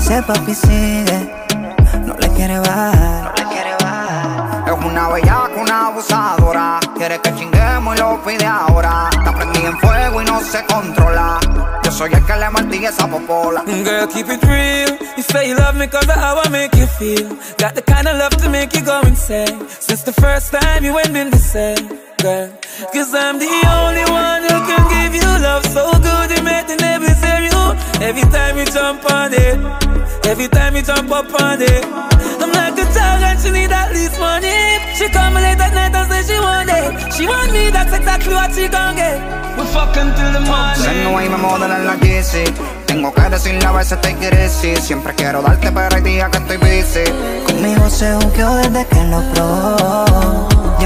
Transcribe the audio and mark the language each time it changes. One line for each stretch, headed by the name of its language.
Spanish: Papi sigue, no le quiere bajar, no le quiere bajar. Es una bellaca, una abusadora. Quiere que chinguemos y lo pide ahora. Está prendida en fuego y no se controla. Yo soy el que le martilla esa popola.
English: Girl, keep it real. You say you love me cause of how I make you feel. Got the kind of love to make you go insane. Since the first time you ain't been the same, girl. Cause I'm the only one who can give you love so good. You make the neighbors hear you. Every time you jump on it. Every time you jump up on it. I'm like a dog and she need at least money. She come late at night and say she want it. She want me, that's exactly what she gon' get. We fucking till the morning.
Spanish: Se no hay me moda la Jahshii. Tengo que decirle a veces te crazy. Siempre quiero darte pero hay día que estoy busy. Conmigo se jugó desde que lo probó.